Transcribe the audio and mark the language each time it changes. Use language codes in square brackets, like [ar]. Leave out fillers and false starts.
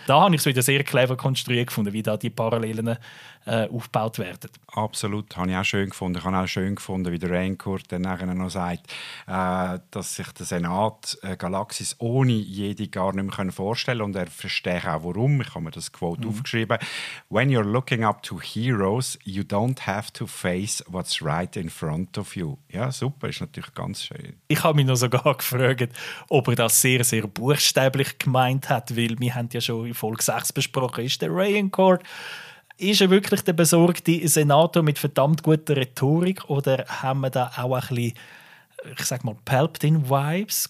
[de] Da habe ich es wieder sehr clever konstruiert gefunden, wie da die Parallelen aufgebaut werden. Absolut, habe ich auch schön gefunden. Ich habe auch schön gefunden, wie der Rancor dann nachher noch sagt, dass sich der Senat Galaxis ohne Jedi gar nicht mehr vorstellen kann. Und er versteht auch, warum. Ich habe mir das Quote aufgeschrieben. [en] «When you're looking up to heroes, you don't have to face what's right in front of you.» [de] Ja, super, ist natürlich ganz schön. Ich habe mich noch sogar gefragt, ob er das sehr, sehr buchstäblich gemeint hat, weil wir haben ja schon in Folge 6 besprochen, ist der Rancor. Ist er wirklich der besorgte Senator mit verdammt guter Rhetorik oder haben wir da auch ein bisschen, ich sag mal, Palpatine-Vibes?